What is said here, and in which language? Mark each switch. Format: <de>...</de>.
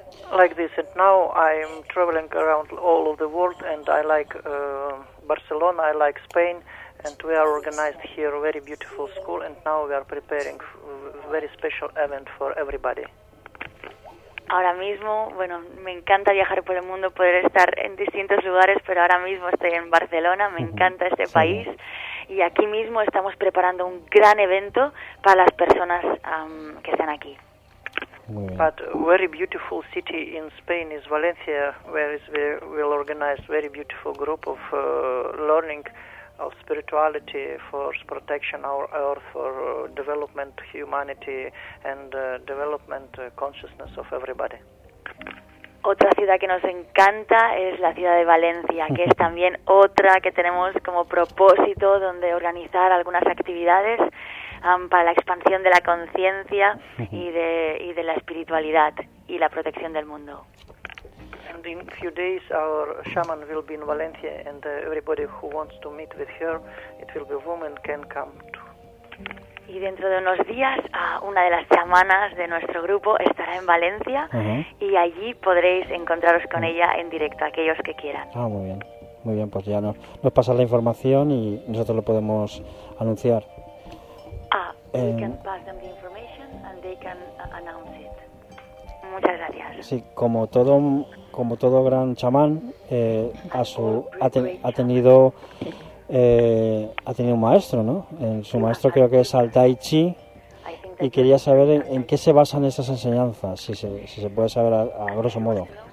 <en>Like this, and now I'm traveling around all of the world, and I like Barcelona, I like Spain, and we are organized here a very beautiful school, and now we are preparing a very special event for everybody.</en> <es>Ahora mismo, bueno, me encanta viajar por el mundo, poder estar en distintos lugares, pero ahora mismo estoy en Barcelona, me encanta este país, y aquí mismo estamos preparando un gran evento para las personas que están aquí.</es> <en>But a very beautiful city in Spain is Valencia, where we will organize a very beautiful group of learning of spirituality for protection our earth, for development humanity and development consciousness of everybody.</en> <es>Otra ciudad que nos encanta es la ciudad de Valencia, que es también otra que tenemos como propósito donde organizar algunas actividades para la expansión de la conciencia y de la espiritualidad y la protección del mundo.</es> <en>And in a few days, our shaman will be in Valencia, and everybody who wants to meet with her, it will be a woman, can come too.</en> <es>Y dentro de unos días, una de las chamanas de nuestro grupo estará en Valencia, y allí podréis encontraros con ella en directo, aquellos que quieran. Ah, muy bien, pues ya nos pasas la información y nosotros lo podemos anunciar.</es> <en>We can pass them the information and they can announce it.</en> <es>Muchas gracias. Sí, como todo gran chamán, ha tenido un maestro, ¿no? Su maestro creo que es al Tai Chi, y quería saber en qué se basan esas enseñanzas, si se puede saber a grosso modo.</es>